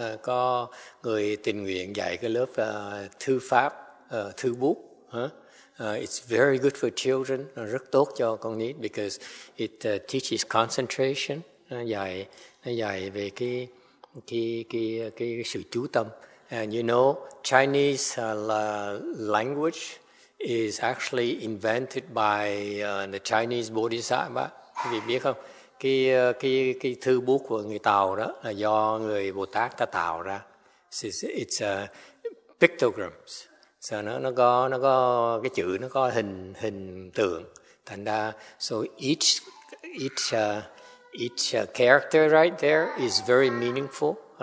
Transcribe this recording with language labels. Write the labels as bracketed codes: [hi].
[vi] Có người tình nguyện dạy cái lớp thư pháp, thư bút. [en] It's very good for children, [vi] rất tốt cho con nít, [en] because it teaches concentration, dạy. [vi] Dạy về cái sự chú tâm. [en] And you know, Chinese language is actually invented by the Chinese Bodhisattva. [vi] Quý vị biết không? Cái thư bút của người Tàu đó là do người Bồ Tát ta tạo ra. [en] It's pictograms. [vi] So nó có cái chữ, nó có hình tượng. Thành ra, so each character right there is very meaningful.